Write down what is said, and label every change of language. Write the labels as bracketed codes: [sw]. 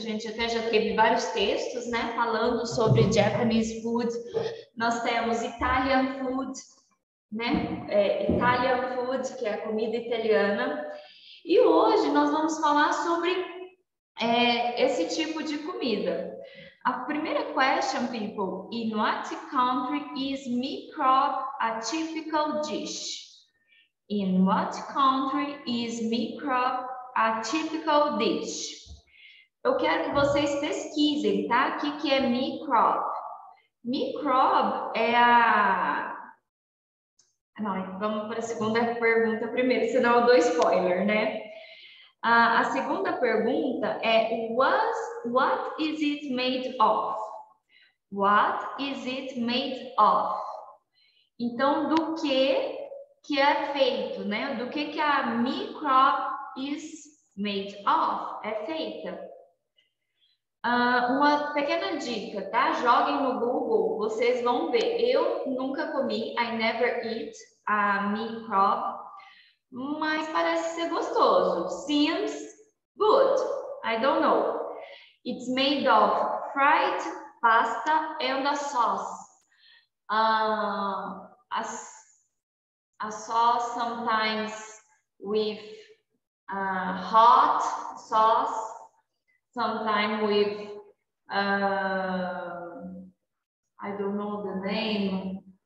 [pt] A gente até já teve vários textos, né, falando sobre Japanese food. Nós temos Italian food. Né? Italian food, que é a comida italiana. E hoje nós vamos falar sobre esse tipo de comida. A primeira [en] question, people: in what country is meat crop a typical dish? In what country is meat crop a typical dish? [pt] Eu quero que vocês pesquisem, tá? O que é meat crop? Meat crop é a... Não, vamos para a segunda pergunta primeiro, senão eu dou spoiler, né? A segunda pergunta é [en] what is it made of? What is it made of? [pt] Então, do que é feito, né? Do que a [en] meat crop is made of? [pt] É feita. Uma pequena dica, tá? Joguem no Google, vocês vão ver. Eu nunca comi, [en] I never eat a meat crop, [pt] mas parece ser gostoso. [en] Seems good. I don't know. It's made of fried pasta and a sauce. A sauce sometimes with hot sauce, sometimes with I don't know the name.